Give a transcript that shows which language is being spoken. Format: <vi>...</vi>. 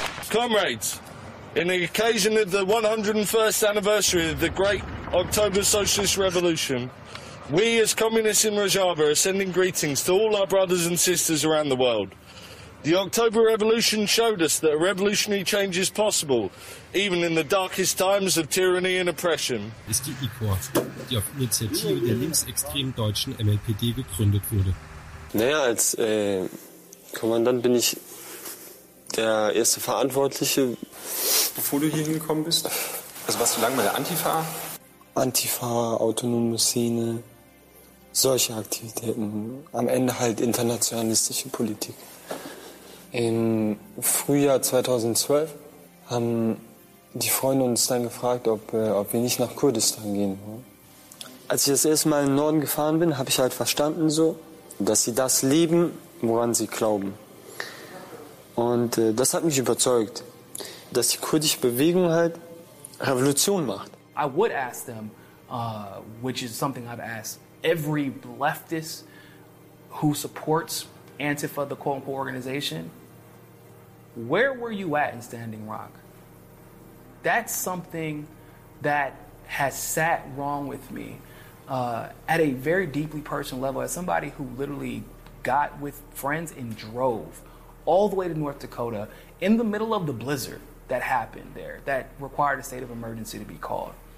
<en>Comrades, in the occasion of the 101st anniversary of the Great October Socialist Revolution, we as communists in Rojava are sending greetings to all our brothers and sisters around the world. The October Revolution showed us that a revolutionary change is possible, even in the darkest times of tyranny and oppression.</en> <de>Ist die IKOR, die auf Initiative der linksextremen deutschen MLPD gegründet wurde. Naja, als Kommandant bin ich der erste Verantwortliche. Bevor du hier hingekommen bist? Also warst du lange bei der Antifa? Antifa, autonome Szene, solche Aktivitäten, am Ende halt internationalistische Politik. Im Frühjahr 2012 haben die Freunde uns dann gefragt, ob wir nicht nach Kurdistan gehen wollen. Als ich das erste Mal in den Norden gefahren bin, habe ich halt verstanden so, dass sie das lieben, woran sie glauben. Und das hat mich überzeugt, dass die kurdische Bewegung halt Revolution macht.</de> <en>I would ask them, which is something I've asked every leftist who supports Antifa, the quote-unquote organization, where were you at in Standing Rock? That's something that has sat wrong with me at a very deeply personal level, as somebody who literally got with friends and drove all the way to North Dakota in the middle of the blizzard that happened there that required a state of emergency to be called.</en>